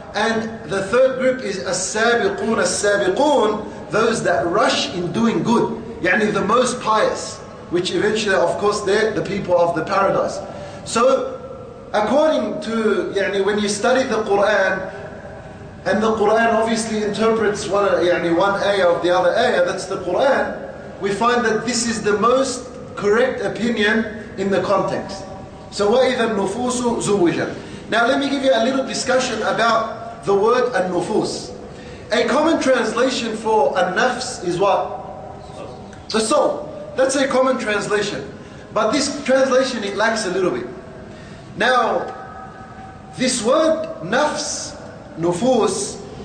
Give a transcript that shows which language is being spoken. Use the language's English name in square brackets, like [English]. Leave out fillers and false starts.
[English] And the third group is as-sabiquna as-sabiqun, those that rush in doing good, yani the most pious, which eventually, of course, they're the people of the paradise. So, according to, yani when you study the Qur'an, and the Qur'an obviously interprets one ayah of the other ayah, that's the Qur'an, we find that this is the most correct opinion in the context. [Arabic] So, وَإِذَا النُّفُوسُ زُوِّجَتْ. [English] Now, let me give you a little discussion about the word an-nufus. A common translation for an-nafs is what? The soul. That's a common translation. But this translation, it lacks a little bit. Now, this word nafs, nufus,